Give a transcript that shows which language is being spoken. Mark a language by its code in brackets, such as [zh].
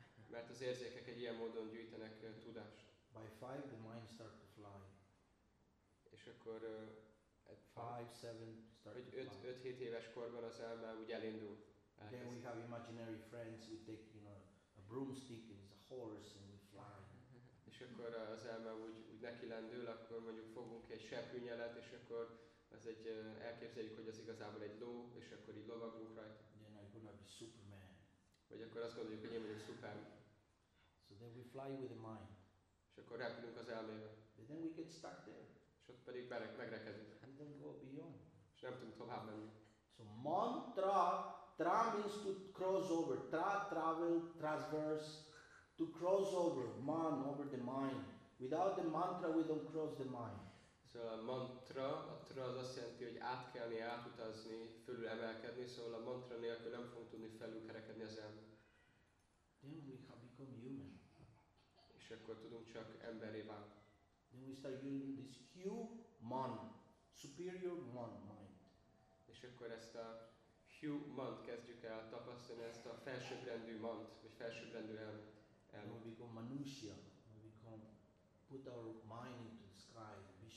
[hu] Mert az érzékek egy ilyen módon gyűjtenek tudást. [en] By five, the mind start to fly. [hu] És akkor 5-7 éves korban az elme úgy elindul. [en] Then we have imaginary friends, we take, you know, a broomstick and it's a horse and we fly. [hu] És akkor az elme úgy neki lendül, akkor mondjuk fogunk egy serpűnyelet, és akkor ez egy, elképzeljük, hogy az igazából egy ló, és akkor így lovagunk rajta. [en] Then I'm gonna be Superman. [hu] Vagy akkor azt gondoljuk, hogy én vagyok szuper. [en] So then we fly with the mind. [hu] És akkor repülünk az elmével. [en] But then we get stuck there. [hu] És ott pedig megrekedünk. [en] We don't go beyond. [hu] És nem tudunk tovább menni. [en] So mantra, tra means to cross over, tra travel, transverse, to cross over, man over the mind. Without the mantra we don't cross the mind. [hu] Szóval a mantra, a tra az azt jelenti, hogy átkelni, átutazni, fölül emelkedni, szóval a mantra nélkül nem fogunk tudni felülkerekedni az elmét. [en] Then we have become human. [hu] És akkor tudunk csak emberré válni. [en] Then we start using this human, superior man mind. [hu] És akkor ezt a human-t kezdjük el tapasztalni, ezt a felsőbbrendű mant, vagy felsőbbrendű elmét. [en] We become manusia, we become, put our mind into the sky.